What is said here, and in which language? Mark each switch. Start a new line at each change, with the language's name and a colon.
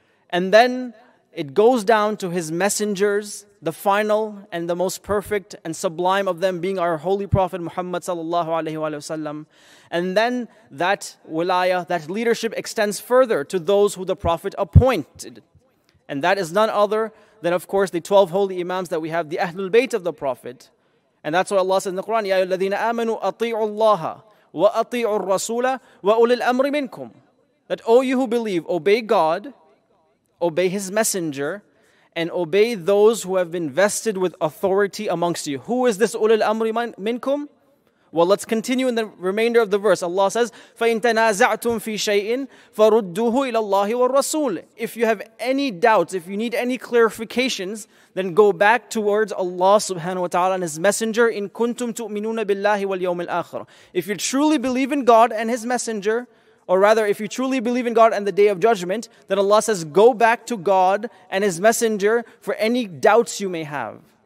English: And then it goes down to his messengers, the final and the most perfect and sublime of them being our Holy Prophet Muhammad sallallahu alaihi wasallam. And then that wilaya, that leadership extends further to those who the Prophet appointed. And that is none other than, of course, the 12 holy imams that we have, the Ahlul Bayt of the Prophet. And that's what Allah said in the Quran,
Arabic: يَا الَّذِينَ آمَنُوا أَطِيعُوا اللَّهَ وَأَطِيعُوا الرَّسُولَ وَأُولِي الْأَمْرِ مِنْكُمْ.
English: That all you who believe, obey God, obey His messenger, and obey those who have been vested with authority amongst you. Who is this
Arabic: أُولِي الْأَمْرِ مِنْكُمْ?
English: Well, let's continue in the remainder of the verse. Allah says,
Arabic: فَإِن تَنَازَعْتُمْ فِي شَيْءٍ فَرُدُّهُ إِلَى اللَّهِ وَالرَّسُولِ.
English: If you have any doubts, if you need any clarifications, then go back towards Allah subhanahu wa ta'ala and His messenger.
Arabic: إِن كُنْتُمْ تُؤْمِنُونَ بِاللَّهِ وَالْيَوْمِ الْآخِرِ.
English: If you truly believe in God and His messenger, or rather, if you truly believe in God and the Day of Judgment, then Allah says, go back to God and His messenger for any doubts you may have.